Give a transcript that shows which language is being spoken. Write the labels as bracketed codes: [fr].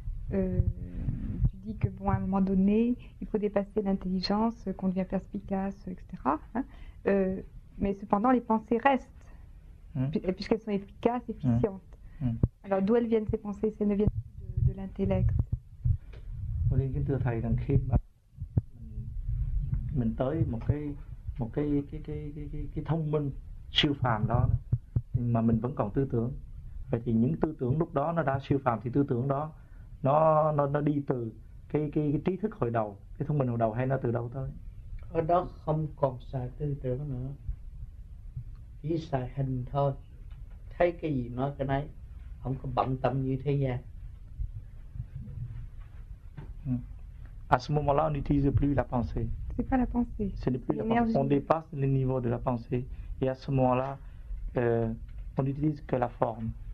[fr] Tu dis que bon, à un moment donné, il faut dépasser l'intelligence, qu'on devient perspicace, etc. Mais cependant, les pensées restent, puisqu'elles sont efficaces, efficientes. Alors, d'où elles viennent ces pensées? Si elles ne viennent plus de l'intellect. [vi] Tôi nghĩ cái thầy rằng khi mà mình tới một cái thông minh siêu phàm đó, mà mình vẫn còn tư tưởng. Vậy thì những tư tưởng lúc đó nó đã siêu phàm thì tư tưởng đó nó đi từ cái trí thức hồi đầu, cái thông minh hồi đầu hay nó từ đâu tới? Ở đó không còn xài tư tưởng nữa, chỉ xài hình thôi, thấy cái gì nói cái nấy, không có bận tâm như thế gian. [fr] À ce moment-là, on n'utilise plus la pensée. C'est pas la pensée. Ce n'est plus la pensée. On dépasse le niveau de la pensée et à ce moment-là, on n'utilise que la forme.